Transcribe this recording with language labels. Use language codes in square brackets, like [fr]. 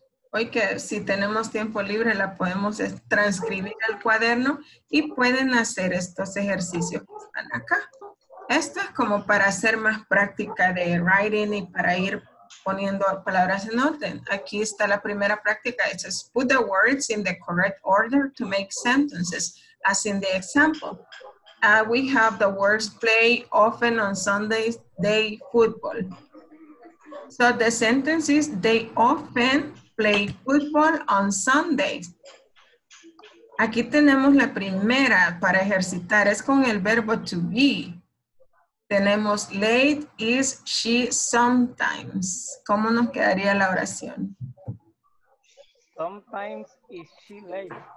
[es] hoy que si tenemos tiempo libre, la podemos transcribir al cuaderno y pueden hacer estos ejercicios que están acá. Esto es como para hacer más práctica de writing y para ir poniendo palabras en orden. Aquí está la primera práctica. [en] It says, put the words in the correct order to make sentences, as in the example. We have the words play often on Sundays, day football. So the sentence is, they often play football on Sundays. [es] Aquí tenemos la primera para ejercitar, es con el verbo to be. Tenemos [en] late is she sometimes. [es] ¿Cómo nos quedaría la oración? [en] Sometimes is she late.